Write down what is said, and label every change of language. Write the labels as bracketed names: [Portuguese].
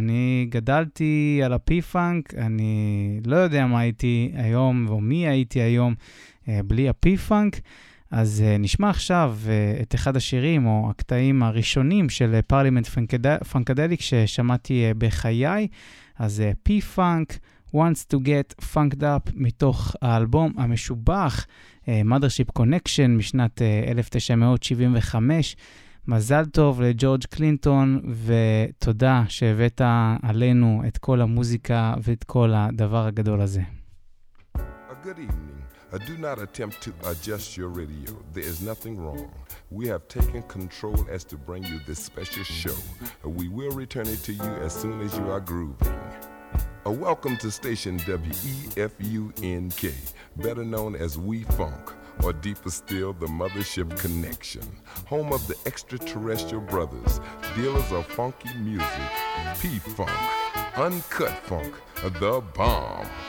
[Hebrew] אני גדלתי על הפי-פאנק, אני לא יודע מה הייתי היום או מי הייתי היום בלי הפי-פאנק. אז נשמע עכשיו את אחד השירים או הקטעים הראשונים של פרלימנט פאנקדליק ששמעתי בחיי. אז פי-פאנק, Wants to Get Funked Up, מתוך האלבום המשובח Mothership Connection משנת 1975. מזל טוב לג'ורג' קלינטון, ותודה שהבאת עלינו את כל המוזיקה ואת כל הדבר הגדול הזה. [English] A good evening. I do not attempt to adjust your radio. There is nothing wrong. We have taken control as to bring you this special show. We will return it to you as soon as you are grooving. A welcome to station WEFUNK, better known as We Funk, or deeper still, the Mothership Connection, home of the extraterrestrial brothers, dealers of funky music, P-Funk, Uncut Funk, The Bomb.